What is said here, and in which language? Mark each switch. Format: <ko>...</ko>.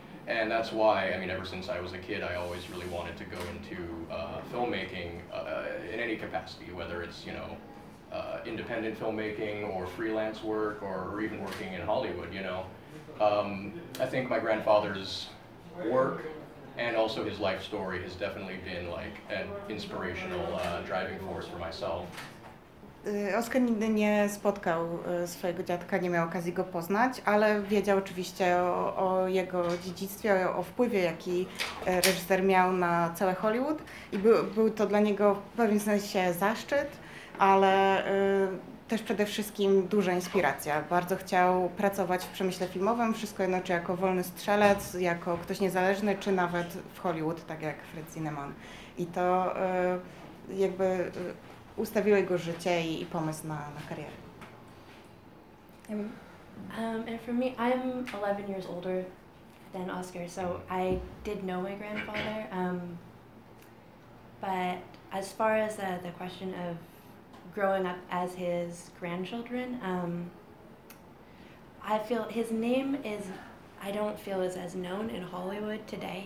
<en>And that's why, I mean, ever since I was a kid, I always really wanted to go into filmmaking in any capacity, whether it's, you know, independent filmmaking or freelance work or even working in Hollywood, you know. I think my grandfather's work and also his life story has definitely been like an inspirational driving force for myself.</en> <pl>Oskar nigdy nie spotkał swojego dziadka, nie miał okazji go poznać, ale wiedział oczywiście o jego dziedzictwie, o wpływie, jaki reżyser miał na całe Hollywood. I był to dla niego w pewnym sensie zaszczyt, ale też przede wszystkim duża inspiracja. Bardzo chciał pracować w przemyśle filmowym, wszystko jedno, czy jako wolny strzelec, jako ktoś niezależny, czy nawet w Hollywood, tak jak Fritz Zinnemann. I to jakby ustawiło jego życie i pomysł na karierę.</pl> <en>And for me, I'm 11 years older than Oscar, so I did know my grandfather. But as far as the question of growing up as his grandchildren, I feel his name is as known in Hollywood today.</en>